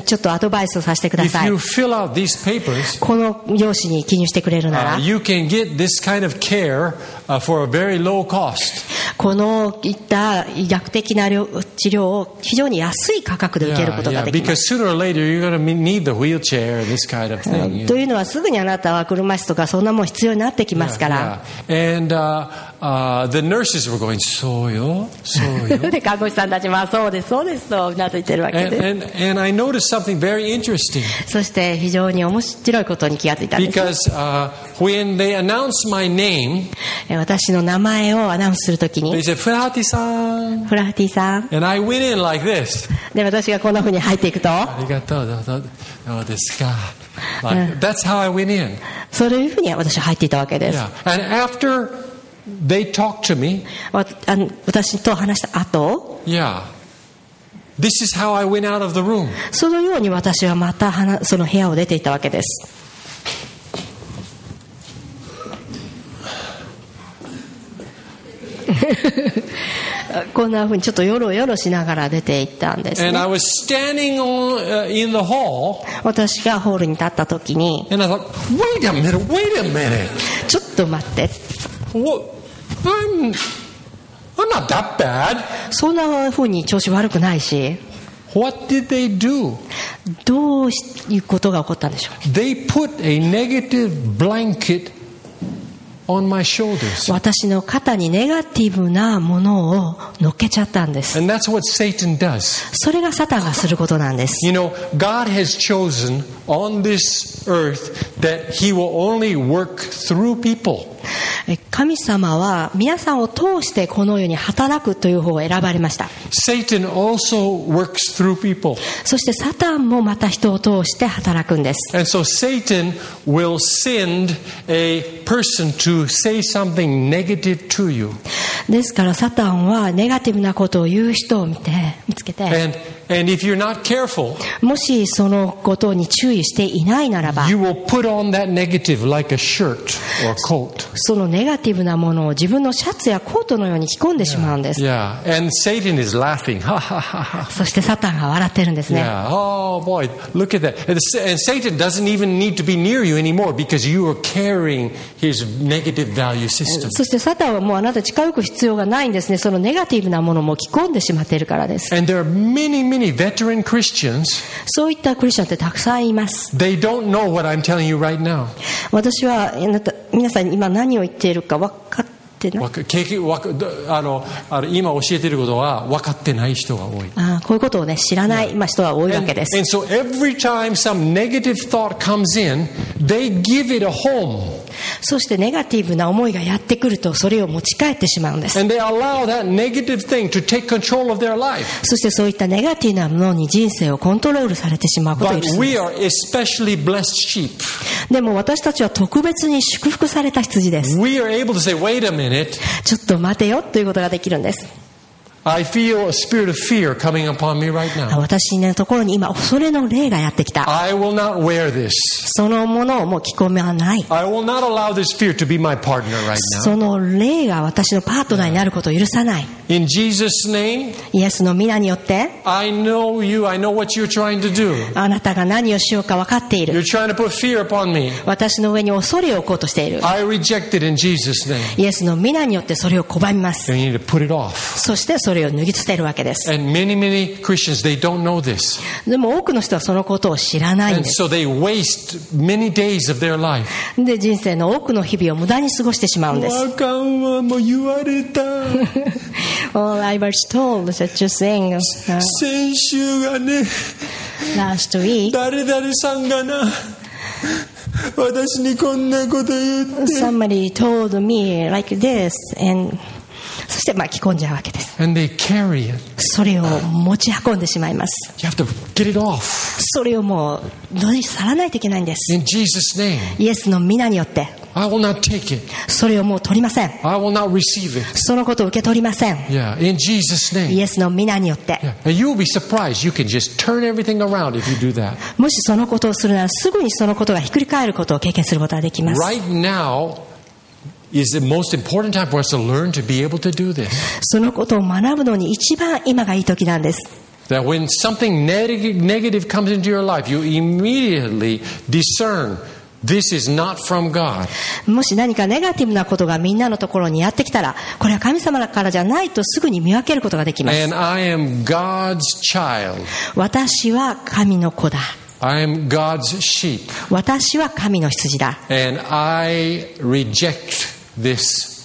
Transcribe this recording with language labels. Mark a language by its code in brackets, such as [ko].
[ja] ちょっとアドバイスをさせてください。 [en] If you fill out these papers, [ja] この用紙に記入してくれるなら、 [en] you can get this kind of care, for a very low cost. [ja] このいった医学的な治療を非常に安い価格で受けることができます。 [en] Yeah, yeah. Because sooner or later you're going to need the wheelchair, this kind of thing. [ja] というのはすぐにあなたは車椅子とかそんなもん必要になってきますから。 [en] Yeah, yeah. And, the nurses were going, [ja] そうよ、そうよ。で、看護師さんたちも、そうです、そうですと、うなずいてるわけです。 [en] And I noticed something very interesting. [ja] そして、非常に面白いことに気がついたんです。 [en] Because, when they announced my name, [ja] 私の名前をアナウンスするときに、 [en] they said, フラハティさん。 [ja] フラハティさん。 [en] And I went in like this. [ja] で、私がこんなふうに入っていくと、ありがとう、どうですか。 [en] Like, that's how I went in. [ja] そういうふうに私は入っていたわけです。 [en] Yeah. And after they talked to me, [ja] 私と話した後、 [en] yeah. This is how I went out of the room. [ja] そのように私はまたその部屋を出ていたわけです。こんなふうにちょっとヨロヨロしながら出て行ったんですね。 [en] And I was standing in the hall, [ja] 私がホールに立った時に [en] And I thought, wait a minute, wait a minute. [ja] ちょっと待って、 [en] well, I'm not that bad. [ja] そんなふうに調子悪くないし [en] What did they do? [ja] どういうことが起こったんでしょう [en] They put a negative blanketOn my shoulders. [ja] 私の肩にネガティブなものを乗っけちゃったんです。 [en] And that's what Satan does. [ja] それがサタンがすることなんです。 [en] You know, God has chosen on this earth that He will only work through people. [ja] 神様は皆さんを通してこの世に働くという方を選ばれました。 [en] Satan also works through people. [ja] そしてサタンもまた人を通して働くんです。 [en] And so Satan will send a person to say something negative to you. [ja] ですからサタンはネガティブなことを言う人を見つけて、 [en] And if you're not careful, [ja] もしそのことに注意していないならば、 [en] you will put on that negative like a shirt or a coat. [ja] そのネガティブなものを自分のシャツやコートのように着込んでしまうんです。 [en] Yeah, yeah. And Satan is laughing. [ja] そしてサタンが笑ってるんですね。 [en] Yeah. Oh boy, look at that. And Satan doesn't even need to be near you anymore because you are carrying his negative value system. [ja] そしてサタンはもうあなた近づく必要がないんですね。そのネガティブなものも着込んでしまっているからです。 [en] And there are many Many veteran Christians, [ja] そういったクリスチャンってたくさんいます。 [en] They don't know what I'm telling you right now. [ja] 私は皆さん今何を言っているか分かってない。今教えていることは分かってない人が多い。ああ、こういうことを、ね、知らない人が多いわけです。 [en] And so every time some negative thought comes in, they give it a home. [ja] そしてネガティブな思いがやってくるとそれを持ち帰ってしまうんです。 [en] And they allow that negative thing to take control of their life. [ja] そしてそういったネガティブなものに人生をコントロールされてしまうことです。 [en] But we are especially blessed sheep. [ja] でも私たちは特別に祝福された羊です。 [en] We are able to say, wait a minute. [ja] ちょっと待てよということができるんです。 [en] I feel a spirit of fear coming upon me right now. [ja] 私のところに今恐れの霊がやってきた。 [en] I will not wear this. [ja] そのものをもう着込みはない。 [en] I will not allow this fear to be my partner right now. [ja] その霊が私のパートナーになることを許さない。 [en] In Jesus' name. [ja] イエスの名によって。 [en] I know you. I know what you're trying to do. [ja] あなたが何をしようか分かっている。 [en] You're trying to put fear upon me. [ja] 私の上に恐れを置こうとしている。 [en] I reject it in Jesus' name. [ja] イエスの名によってそれを拒みます。 [en] You need to put it off. [ja] そしてそれそれを脱ぎ捨てるわけです。 [en] And many, many Christians, they don't know this. [ja] でも多くの人はそのことを知らないんです。 [en] And so they waste many days of their life. [ja] で、人生の多くの日々を無駄に過ごしてしまうんです。わかんわ、もう言われた。 [en] All I was told, such a thing. [ja] 先週がね、 [en] Last week, [ja] 誰々さんがな、私にこんなこと言って。 [en] Somebody told me like this, and... [ja] そして巻き込んじゃうわけです。 [en] And they carry it. [ja] それを持ち運んでしまいます。 [en] You have to get it off. [ja] それをもう取り去らないといけないんです。 [en] In Jesus' name. [ja] イエスの名によって。 [en] I will not take it. [ja] それをもう取りません。 [en] I will not receive it. [ja] そのことを受け取りません。 [en] Yeah. In Jesus' name. [ja] イエスの名によって。 [en] Yeah. And you'll be surprised. You can just turn everything around if you do that. [ja] もしそのことをするならすぐにそのことがひっくり返ることを経験することができます。 [en] Right now. Is the most important time for us to learn to be able to do this. [ja] そのことを学ぶのに一番今がいい時なんです。 [en] That when something negative comes into your life, you immediately discern this is not from God. [ja] もし何かネガティブなことがみんなのところにやってきたら、これは神様からじゃないとすぐに見分けることができます。 [en] And I am God's child. [ja] 私は神の子だ。 [en] I am God's sheep. [ja] 私は神の羊だ。 [en] And I reject this